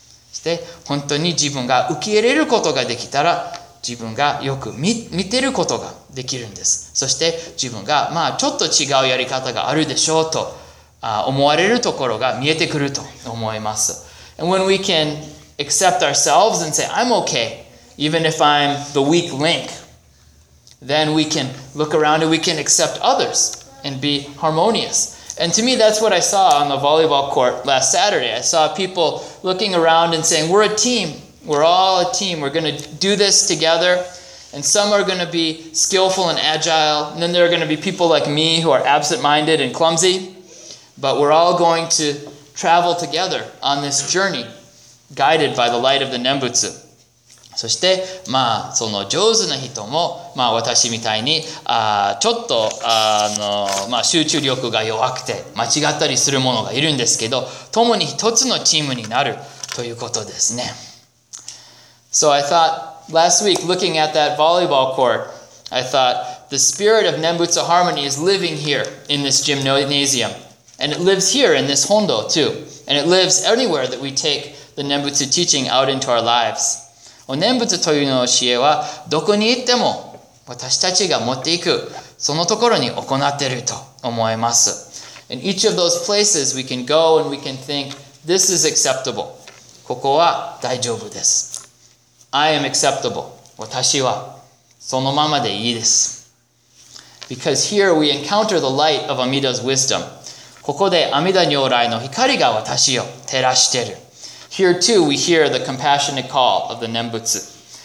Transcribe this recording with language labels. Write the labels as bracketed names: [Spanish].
[Japanese] そして、本当に自分が受け入れることができたら、自分がよく見てることができるんです。そして、自分が、まあ、ちょっと違うやり方があるでしょうと、思われるところが見えてくると思います。 [English] And when we can accept ourselves and say, I'm okay, even if I'm the weak link, then we can look around and we can accept others and be harmonious. And to me, that's what I saw on the volleyball court last Saturday. I saw people looking around and saying, we're a team. We're all a team. We're going to do this together. And some are going to be skillful and agile. And then there are going to be people like me who are absent-minded and clumsy. But we're all going to travel together on this journey, guided by the light of the Nembutsu. [Japanese] そして、まあ、その上手な人も、まあ、私みたいに、ちょっと、まあ、集中力が弱くて、間違ったりするものがいるんですけど、共に一つのチームになるということですね。 [English] So I thought, last week, looking at that volleyball court, I thought, the spirit of Nembutsu Harmony is living here in this gymnasium. And it lives here in this hondo too. And it lives anywhere that we take the Nembutsu teaching out into our lives. [Japanese] お念仏というの教えはどこに行っても私たちが持っていくそのところに行っていると思います。 [English] In each of those places we can go and we can think, this is acceptable. [Japanese] ここは大丈夫です。 [English] I am acceptable. [Japanese] 私はそのままでいいです。 [English] Because here we encounter the light of Amida's wisdom. [Japanese] ここで阿弥陀如来の光が私を照らしている。 [English] Here too we hear the compassionate call of the 念仏。